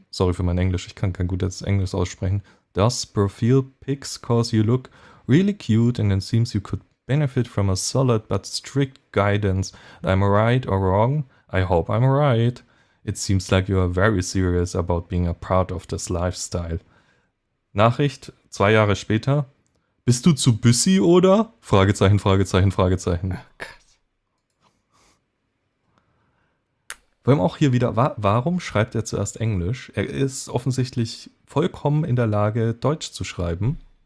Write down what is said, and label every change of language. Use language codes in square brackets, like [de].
[de] Sorry für mein Englisch, ich kann kein gutes Englisch aussprechen. [en] Does profile pics cause you look really cute and it seems you could benefit from a solid but strict guidance. I'm right or wrong? I hope I'm right. It seems like you are very serious about being a part of this lifestyle. [de] Nachricht, 2 Jahre später. Bist du zu busy oder? Fragezeichen, Fragezeichen, Fragezeichen. Vor allem auch hier wieder, warum schreibt er zuerst Englisch? Er ist offensichtlich vollkommen in der Lage, Deutsch zu schreiben.